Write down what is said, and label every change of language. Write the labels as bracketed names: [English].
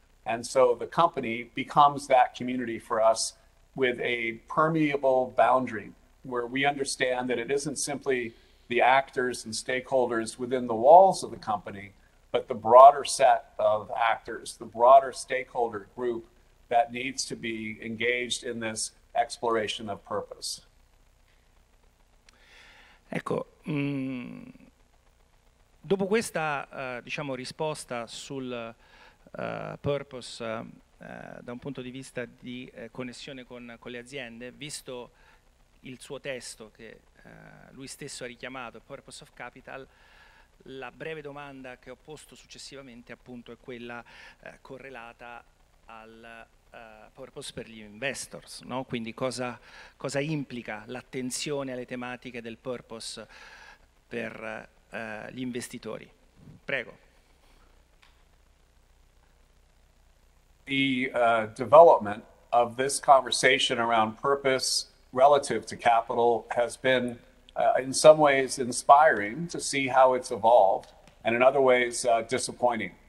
[English] And so the company becomes that community for us with a permeable boundary where we understand that it isn't simply the actors and stakeholders within the walls of the company, but the broader set of actors, the broader stakeholder group that needs to be engaged in this exploration of purpose. [Italian] Ecco, dopo questa diciamo risposta sul purpose da un punto di vista di connessione con le aziende, visto il suo testo che lui stesso ha richiamato, Purpose of Capital, la breve domanda che ho posto successivamente appunto è quella correlata al purpose per gli investors, no? Quindi cosa implica l'attenzione alle tematiche del purpose per gli investitori? Prego. [English] The development of this conversation around purpose relative to capital has been in some ways inspiring to see how it's evolved, and in other ways disappointing.